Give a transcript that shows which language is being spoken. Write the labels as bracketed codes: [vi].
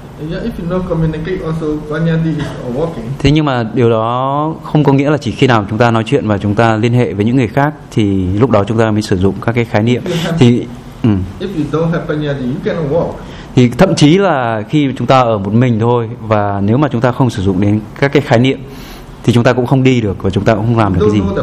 [en] Yeah, if you know communicate also, panyati is working. [vi] Thế nhưng mà điều đó không có nghĩa là chỉ khi nào chúng ta nói chuyện và chúng ta liên hệ với những người khác thì lúc đó chúng ta mới sử dụng các cái khái niệm. [en] If you don't have panyati, you cannot work. [vi] Thì thậm chí là khi chúng ta ở một mình thôi và nếu mà chúng ta không sử dụng đến các cái khái niệm thì chúng ta cũng không đi được và chúng ta cũng không làm được cái gì.